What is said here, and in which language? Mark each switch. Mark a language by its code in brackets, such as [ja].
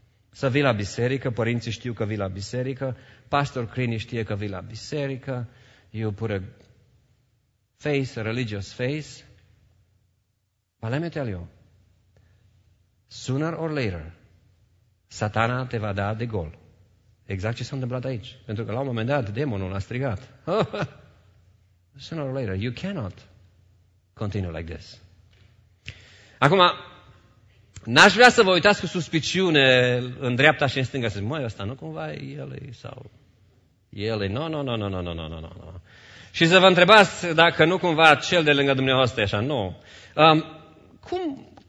[ro] Să vii la biserică, părinții știu că vii la biserică, pastor Crini știe că vii la biserică, [en] you put a face, a religious face. But let me tell you, sooner or later, [ro] Satana te va da de gol. Exact ce s-a întâmplat aici. Pentru că la un moment dat, demonul a strigat. [en] Sooner or later, you cannot continue like this. [ro] Acum, n-aș vrea să vă uitați cu suspiciune în dreapta și în stânga. Să zic, măi, ăsta nu cumva e el sau... El e... [en] No, no, no, no, no, no, no, no, no, no. [ro] Și să vă întrebați dacă nu cumva cel de lângă dumneavoastră e așa. Nu. Cum...